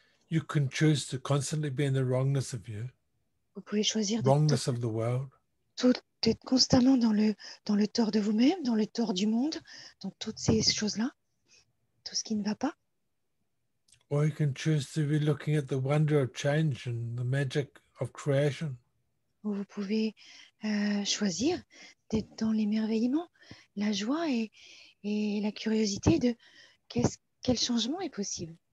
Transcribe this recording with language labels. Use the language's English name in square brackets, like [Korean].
[English] You can choose to constantly be in the wrongness of you. [French] Vous pouvez choisir [English] wrongness of the world. [French] Tout être constamment dans le tort de vous-même, dans le tort du monde, dans toutes ces choses-là, tout ce qui ne va pas. [English] Or you can choose to be looking at the wonder of change and the magic of creation. [French] Ou vous pouvez choisir d'être dans l'émerveillement, la joie et la curiosité de quel changement est possible.